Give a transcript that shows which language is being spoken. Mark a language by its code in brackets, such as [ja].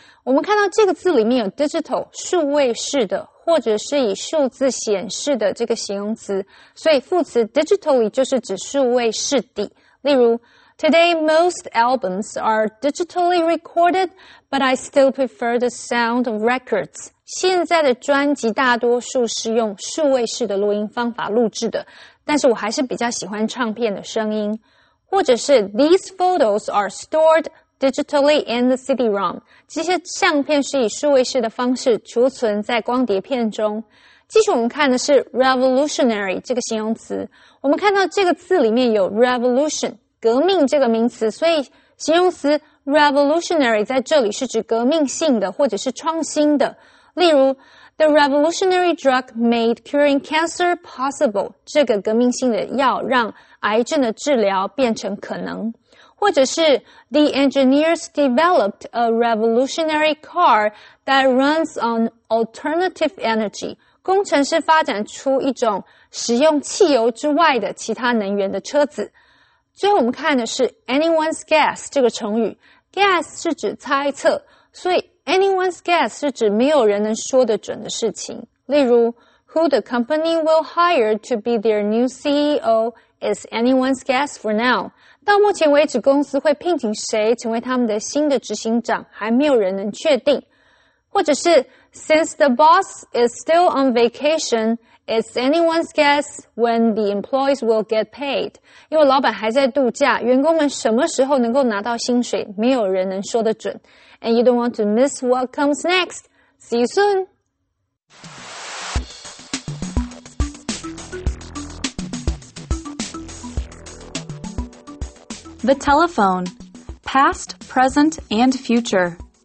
[zh] 我们看到这个字里面有 digital, 数位式的。或者是以数字显示的这个形容词，所以副词 digitally 就是指数位式的。例如 [en] ，Today most albums are digitally recorded, but I still prefer the sound of records. [zh] 现在的专辑大多数是用数位式的录音方法录制的，但是我还是比较喜欢唱片的声音。或者是 [en] These photos are stored digitally in the CD-ROM. [zh] 这些相片是以数位式的方式储存在光碟片中。继续我们看的是 revolutionary 这个形容词。我们看到这个字里面有 revolution, 革命这个名词，所以形容词 revolutionary 在这里是指革命性的或者是创新的。例如 [en] ,the revolutionary drug made curing cancer possible. [zh] 这个革命性的药让癌症的治疗变成可能。或者是 [en] The engineers developed a revolutionary car that runs on alternative energy. [zh] 工程师发展出一种使用汽油之外的其他能源的车子。最后我们看的是 anyone's guess 这个成语。Guess 是指猜测，所以 anyone's guess 是指没有人能说得准的事情。例如 [en] Who the company will hire to be their new CEO is anyone's guess for now. [zh] 到目前为止，公司会聘请谁成为他们的新的执行长，还没有人能确定。或者是 [en] ，Since the boss is still on vacation, it's anyone's guess when the employees will get paid. [zh] 因为老板还在度假，员工们什么时候能够拿到薪水，没有人能说得准。 [en] And you don't want to miss what comes next. See you soon. The telephone. Past, present, and future.